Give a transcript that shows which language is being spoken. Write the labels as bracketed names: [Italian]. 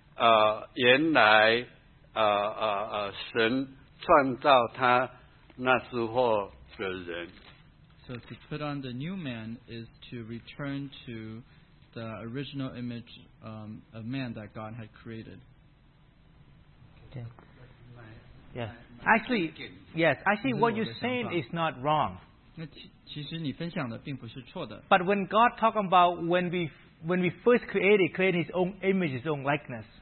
[Chinese] 那很多时候是看这个人是不是有强调这个他本性的这善，还是他忽略了这个善。所以说他新人，我意思是想他重新回来，原来神创造他那时候的人。 [English] So to put on the new man is to return to the original image of man that God had created. Okay. Yes. Actually, what you're saying is not wrong. [Chinese] 其实你分享的并不是错的. [English] But when God talk about when we first created His own image, His own likeness.